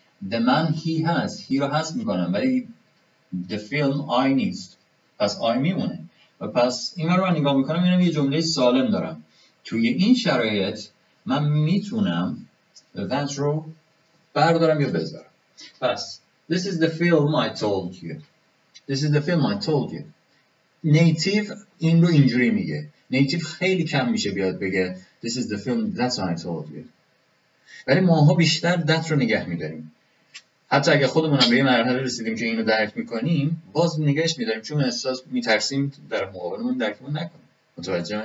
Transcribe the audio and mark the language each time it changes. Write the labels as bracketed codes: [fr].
[en] The man he has. [fa] He رو حذف میکنم ولی the film I نیست. پس I میمونه. و پس این رو من نگاه میکنم اینم یه جمله سالم دارم. توی این شرایط من میتونم that رو بردارم یا بذارم. [en] پس this is the film I told you. This is the film I told you. [fa] نیتیو این رو اینجوری میگه. نیتیو خیلی کم میشه بیاد بگه [en] this is the film that I told you. [fa] ولی ماها بیشتر that رو نگه میداریم. حتی اگه خودمون هم به یه مرحله رسیدیم که اینو درک میکنیم باز نگهش میداریم چون احساس میترسیم در مقابلمون درکمون نکنه. متوجه من؟